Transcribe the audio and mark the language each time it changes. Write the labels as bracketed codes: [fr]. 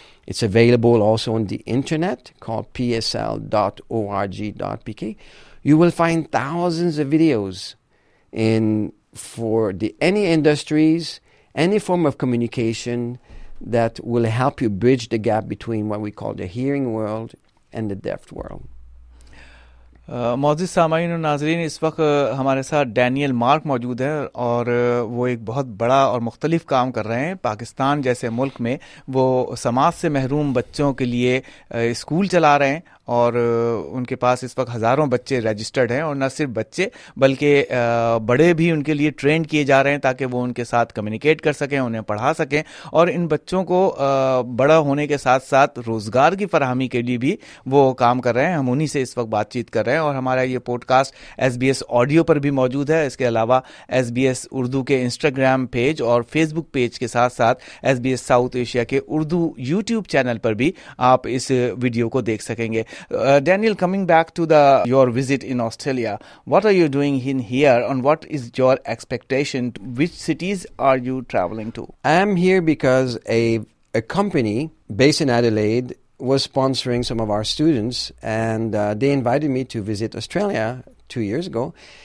[en] It's available also on the internet called psl.org.pk. You will find thousands of videos for any industries, any form of communication that will help you bridge the gap between what we call the hearing world and the deaf world. [ur] معزز سامعین و ناظرین, اس وقت ہمارے ساتھ Daniel mark موجود ہیں اور وہ ایک بہت بڑا اور مختلف کام کر رہے ہیں. پاکستان جیسے ملک میں وہ سماعت سے محروم بچوں کے لیے اسکول چلا رہے ہیں اور ان کے پاس اس وقت ہزاروں بچے رجسٹرڈ ہیں, اور نہ صرف بچے بلکہ بڑے بھی ان کے لیے ٹرینڈ کیے جا رہے ہیں تاکہ وہ ان کے ساتھ کمیونیکیٹ کر سکیں, انہیں پڑھا سکیں, اور ان بچوں کو بڑا ہونے کے ساتھ ساتھ روزگار کی فراہمی کے لیے بھی وہ کام کر رہے ہیں. ہم انہی سے اس وقت بات چیت کر رہے ہیں, اور ہمارا یہ pod cost S B S audio پر بھی موجود ہے. اس کے علاوہ ایس بی ایس اردو کے انسٹاگرام پیج اور فیس بک پیج کے ساتھ ساتھ S B S south Asia کے اردو یوٹیوب چینل پر بھی آپ اس ویڈیو کو دیکھ سکیں گے. [en] Daniel, coming back to your visit in Australia, what are you doing in here and what is your expectation? Which cities are you traveling to? I'm here because a company based in Adelaide was sponsoring some of our students, and they invited me to visit Australia 2 years ago.